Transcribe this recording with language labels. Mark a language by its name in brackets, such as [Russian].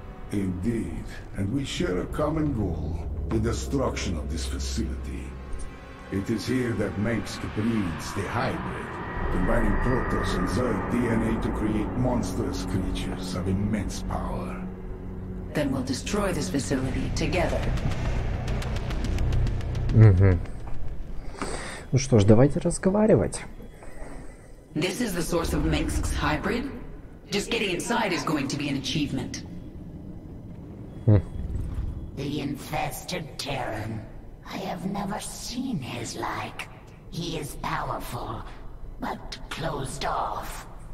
[English] Indeed, and we share a common goal, the destruction of this facility. It is here that Minsk breeds the hybrid. Combining Protoss and Zerg DNA to create monstrous creatures of immense power. Then we'll destroy this facility together. Угу. [Russian] Ну что ж, давайте разговаривать. [English] This is the source of Minsk's hybrid? Just getting inside is going to be an achievement. The infested Terran. I have never seen his like. He is powerful. But closed off.